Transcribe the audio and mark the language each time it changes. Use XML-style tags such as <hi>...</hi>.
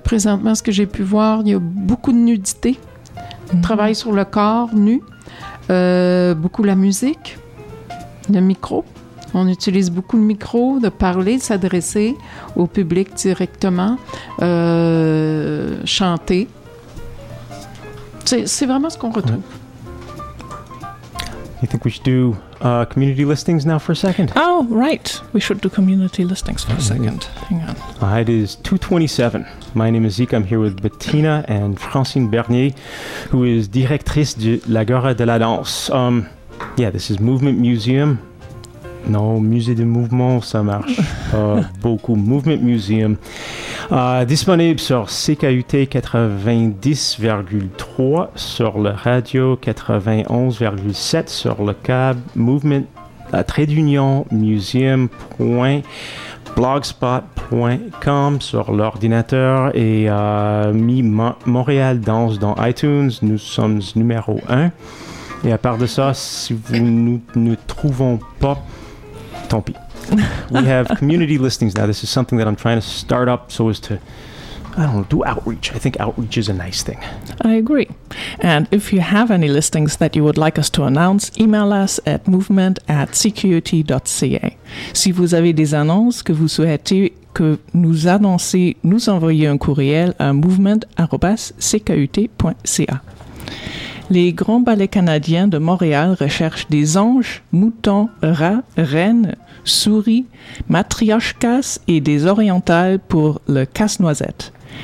<fr>Présentement, ce que j'ai pu voir, il y a beaucoup de nudité. Travail sur le corps nu. Beaucoup la musique. Le micro. On utilise beaucoup le micro, de parler, de s'adresser au public directement, chanter. C'est vraiment ce qu'on retrouve.</fr> <en>I think we should do community listings now for a second. Oh, right. We should do community listings for a second. Hang on. It is 2:27. My name is Zeke. I'm here with Bettina and Francine Bernier, who is</en> <fr>directrice de</fr> <en>l'Agora de la Danse. This is Movement Museum. No,</en> <fr>Musée de Mouvement, ça marche beaucoup.</fr> <en>Movement Museum.</en> <fr>Disponible sur CKUT 90,3, sur le radio 91,7, sur le câble Movement, à trait d'union, museum.blogspot.com, sur l'ordinateur et Montréal Danse dans iTunes. Nous sommes numéro 1. Et à part de ça, si vous ne trouvons pas, tant pis.</fr> <en>We have community listings now. This is something that I'm trying to start up so as to, I don't know, do outreach. I think outreach is a nice thing. I agree. And if you have any listings that you would like us to announce, email us at movement@cqut.ca.</en> <fr>Si vous avez des annonces que vous souhaitez que nous annoncer, nous envoyez un courriel à movement@cqut.ca. Les grands ballets canadiens de Montréal recherchent des anges, moutons, rats, rennes, souris, matrioshkas et des orientales pour le casse-noisette.</fr>